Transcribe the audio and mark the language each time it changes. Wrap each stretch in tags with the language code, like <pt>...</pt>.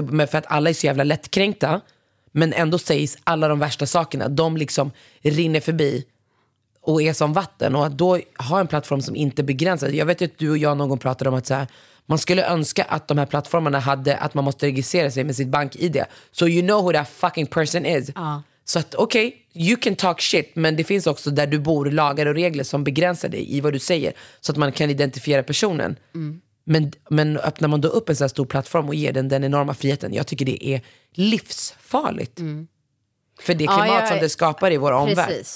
<sv>För att alla är så jävla lättkränkta. Men ändå sägs alla de värsta sakerna. De liksom rinner förbi och är som vatten. Och att då ha en plattform som inte begränsar. Jag vet att du och jag någon gång pratade om att så här, man skulle önska att de här plattformarna hade att man måste registrera sig med sitt bank-ID.</sv> <en>So you know who that fucking person is.</en> <sv>Så att okej,</sv> <en>okay, you can talk shit.</en> <sv>Men det finns också där du bor lagar och regler som begränsar dig i vad du säger. Så att man kan identifiera personen. Mm. Men öppnar man då upp en sån här stor plattform och ger den enorma friheten, jag tycker det är livsfarligt. Mm. För det klimat som det skapar i vår omvärld.</sv>